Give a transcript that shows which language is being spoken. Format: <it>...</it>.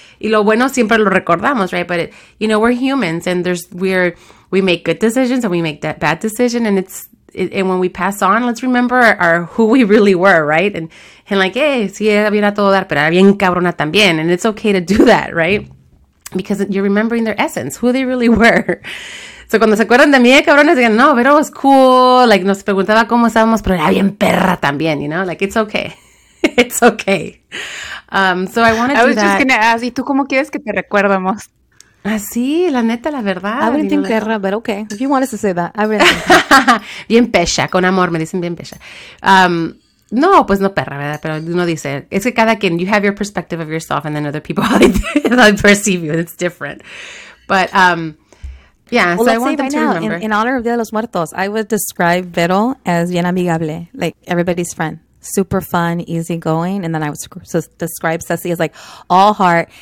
<es>Y lo bueno siempre lo recordamos,</es> <en>right? But, you know, we're humans and we make good decisions and we make that bad decision, and it's, and when we pass on, let's remember our who we really were, right? And like, hey,</en> <es>sí, era bien a todo dar, pero era bien cabrona también.</es> <en>And it's okay to do that, right? Because you're remembering their essence, who they really were.</en> <es>So cuando se acuerdan de mí, cabrones, digan, no, pero es cool. Like, nos preguntaba cómo estábamos, pero era bien perra también,</es> <en>you know? Like, it's okay. It's okay. So I want to do that. I was just going to ask,</en> <es>¿y tú cómo quieres que te recuerdamos? Así, la neta, la verdad.</es> <en>I wouldn't think like, perra, but okay. If you want us to say that, I wouldn't think.</en> <es>Bien pecha, con amor, me dicen bien pecha. No, pues no perra, ¿verdad? Pero uno dice, es que cada quien,</es> <en>you have your perspective of yourself and then other people, they perceive you, and it's different. But, yeah, well, so let's I want say them right to now, remember. In honor of Dia de los Muertos, I would describe Vero as</en> <es>bien amigable,</es> <en>like everybody's friend. Super fun, easygoing, and then I would describe Ceci as like all heart.</en>